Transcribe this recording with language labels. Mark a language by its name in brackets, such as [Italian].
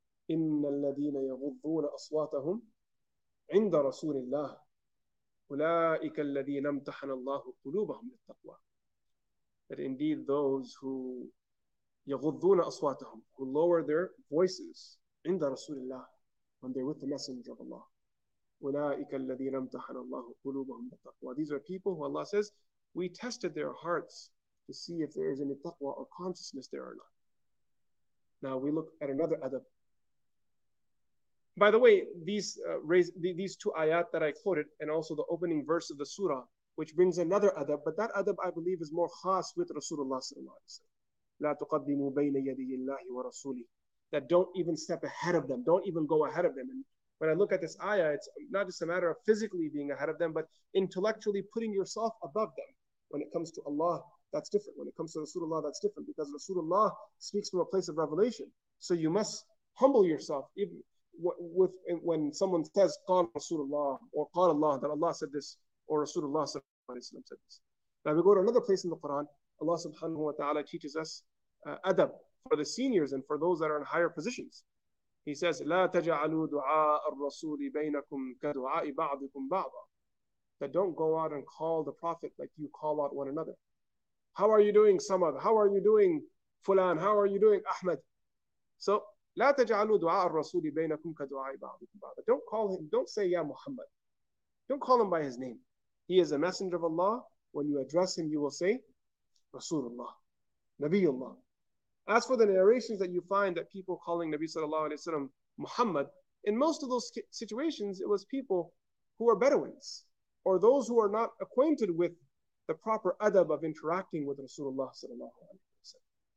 [Arabic] إِنَّ الَّذِينَ يَغُضُّونَ أَصْوَاتَهُمْ عِنْدَ رَسُولِ اللَّهِ أُولَٰئِكَ الَّذِينَ امْتَحَنَ اللَّهُ قُلُوبَهُمْ لِلتَّقْوَىٰ. [English] That indeed those who [Arabic] يَغُضُّونَ أَصْوَاتَهُمْ, [English] who lower their voices [Arabic] عند رسول الله [English] when they're with the messenger of Allah. [Arabic] أولئك الذين امتحن الله قلوبهم بالتقوى. [English] These are people who Allah says, we tested their hearts to see if there is any taqwa or consciousness there or not. Now we look at another adab. By the way, these two ayat that I quoted, and also the opening verse of the surah, which brings another adab, but that adab I believe is more khas with Rasulullah sallallahu alaihi wasallam. [Arabic] لا تقدموا بين يدي الله ورسوله. [English] That don't even step ahead of them. Don't even go ahead of them. And when I look at this ayah, it's not just a matter of physically being ahead of them, but intellectually putting yourself above them. When it comes to Allah, that's different. When it comes to Rasulullah, that's different, because Rasulullah speaks from a place of revelation. So you must humble yourself. Even with when someone says قال Rasulullah or قال Allah, that Allah said this, or Rasulullah sallallahu alaihi wasallam said this. Now we go to another place in the Quran. Allah subhanahu wa ta'ala teaches us adab for the seniors and for those that are in higher positions. He says, [Arabic] لا تجعلوا دعاء الرسول بينكم كدعاء بعضكم بعضا. [English] That don't go out and call the Prophet like you call out one another. How are you doing, Samad? How are you doing, Fulan? How are you doing, Ahmed? [Arabic] So, لا تجعلوا دعاء الرسول بينكم كدعاء بعضكم بعضا. [English] Don't call him, don't say, [Arabic] يا محمد. [English] Don't call him by his name. He is a messenger of Allah. When you address him, you will say, Rasulullah, Nabiullah. As for the narrations that you find that people calling Nabi sallallahu alayhi wa sallam Muhammad, in most of those situations, it was people who are Bedouins or those who are not acquainted with the proper adab of interacting with Rasulullah sallallahu alayhi wa sallam.